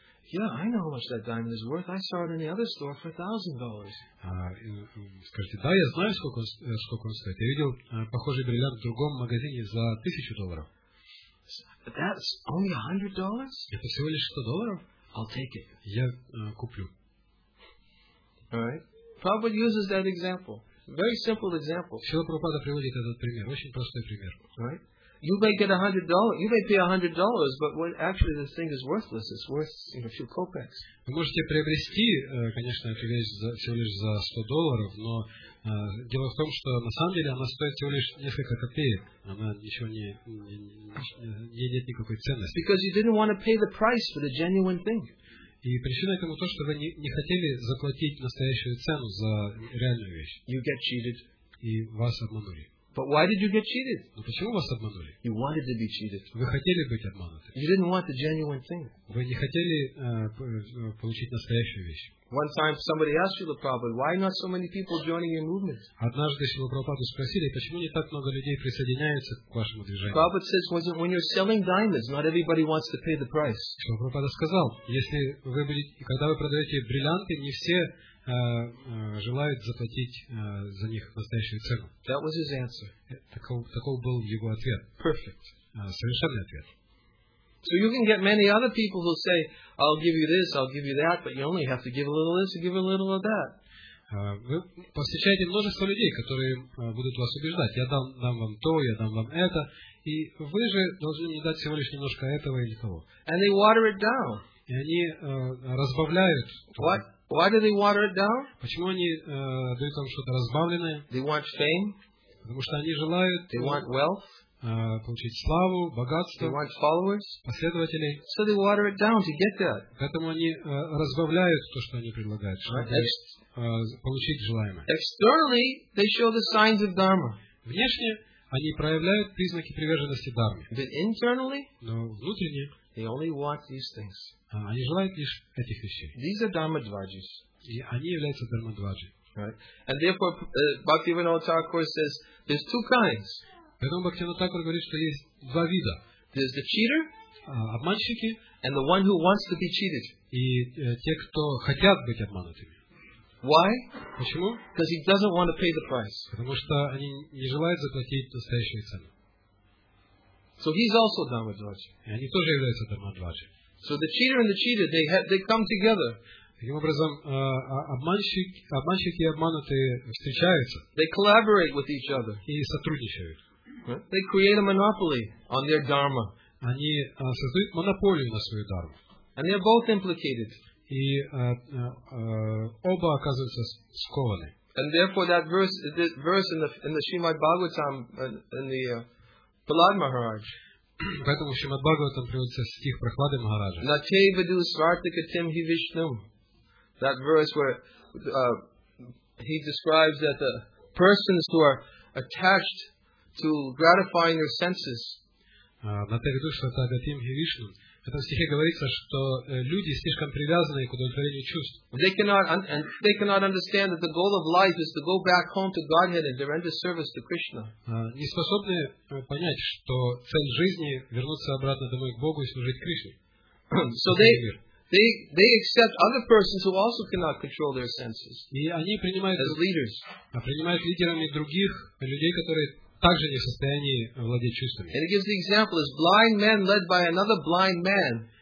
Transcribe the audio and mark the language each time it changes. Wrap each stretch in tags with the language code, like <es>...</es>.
<en>Yeah, I know how much that diamond is worth. I saw it in the other store for $1,000.</en> <ru>Скажите, да, я знаю, сколько он стоит. Я видел похожий бриллиант в другом магазине за $1,000.</ru> <en>But that's only $100?</en> <ru>Это всего лишь $100?</ru> <en>I'll take it.</en> <ru>Я куплю.</ru> <en>Alright. Prabhupada uses that example. Very simple example.</en> <ru>Шрила Прабхупада приводит этот пример. Очень простой пример.</ru> <en>Right? You may get $100. You may pay $100, but what actually this thing is worthless. It's worth, you know, a few kopecks.</en> <ru>Вы можете приобрести, конечно, эту вещь всего лишь за $100, но дело в том, что на самом деле она стоит всего лишь несколько копеек. Она ничего не имеет никакой ценности.</ru> <en>Because you didn't want to pay the price for the genuine thing.</en> <ru>И причина этому то, что вы не хотели заплатить настоящую цену за реальную вещь.</ru> <en>You get cheated.</en> <ru>И вас обманули.</ru> <en>But why did you get cheated?</en> <ru>Но почему вас обманули?</ru> <en>You wanted to be cheated.</en> <ru>Вы хотели быть обмануты.</ru> <en>You didn't want the genuine thing.</en> <ru>Вы не хотели получить настоящую вещь.</ru> <en>One time somebody asked Srila Prabhupada, why not so many people joining your movement?</en> <ru>Однажды Шрила Прабхупаду спросили, почему не так много людей присоединяются к вашему движению.</ru> <en>Prabhupada says, when you're selling diamonds, not everybody wants to pay the price.</en> <ru>Шрила Прабхупада сказал, если вы будете, когда вы продаете бриллианты, не все желают заплатить за них настоящую цену.</ru> <en>That was his answer.</en> <ru>Таков был его ответ.</ru> <en>Perfect.</en> <ru>Совершенный ответ.</ru> <en>So you can get many other people who say, I'll give you this, I'll give you that, but you only have to give a little this and give a little of that.</en> <ru>Вы посещаете множество людей, которые будут вас убеждать. Я дам вам то, я дам вам это. И вы же должны мне дать всего лишь немножко этого или того.</ru> <en>And they water it down.</en> <ru>И они разбавляют.</ru> <en>What? Why do they water it down?</en> <ru>Почему они дают вам что-то разбавленное?</ru> <en>They want fame.</en> <ru>Потому что они желают.</ru> <en>They want wealth.</en> <ru>Получить славу, богатство.</ru> <en>They want followers.</en> <ru>Последователей.</ru> <en>So they water it down to get that.</en> <ru>Поэтому они разбавляют то, что они предлагают, чтобы получить желаемое.</ru> <en>Externally, they show the signs of dharma.</en> <ru>Внешне они проявляют признаки приверженности дхарме.</ru> <en>But internally,</en> <ru>но внутренне.</ru> <en>They only want these things.</en> <ru>Они желают лишь этих вещей.</ru> <en>These are dharmadvajis.</en> <ru>И они являются дхармадваджи.</ru> <en>Right. And therefore, Bhaktivinoda Thakur says there's two kinds.</en> <ru>Поэтому Бхактивинода Тхакур говорит, что есть два вида.</ru> <en>There's the cheater.</en> <ru>Обманщики.</ru> <en>And the one who wants to be cheated.</en> <ru>И те, кто хотят быть обманутыми.</ru> <en>Why?</en> <ru>Почему?</ru> <en>Because he doesn't want to pay the price.</en> <ru>Потому что они не желают заплатить настоящую цену.</ru> <en>So he's also dharmadvaji.</en> <ru>И они тоже являются дхармадваджи.</ru> <en>So the cheater and the cheated, they come together.</en> <ru>Таким образом, обманщики и обманутые встречаются.</ru> <en>They collaborate with each other.</en> <ru>И сотрудничают.</ru> <en>equipment, they create a monopoly on their dharma.</en> <ru>Они создают монополию на свою дарму.</ru> <en>And they're both implicated.</en> <ru>И оба оказываются скованы.</ru> <en>And therefore that verse, this verse in the Srimad Bhagavatam in the Prahlad Maharaj.</en> <ru>Поэтому в Шримад Бхагаватам приводится стих Прохлады Махараджа.</ru> <sa>На те виду свартика тим хи вишну.</sa> <en>That verse where he describes that the persons who are attached to gratifying their senses.</en> <sa>На те виду свартика тим хи вишну.</sa> <ru>В этом стихе говорится, что люди слишком привязаны к удовлетворению чувств.</ru> <en>They cannot understand that the goal of life is to go back home to Godhead and render service to Krishna.</en> <ru>Не способны понять, что цель жизни вернуться обратно домой к Богу и служить Кришне.</ru> <en>So they accept other persons who also cannot control their senses.</en> <ru>И они принимают лидерами других людей, которые также не в состоянии владеть чувствами.</ru> <en>And he gives the example as blind man led by another blind man.</en>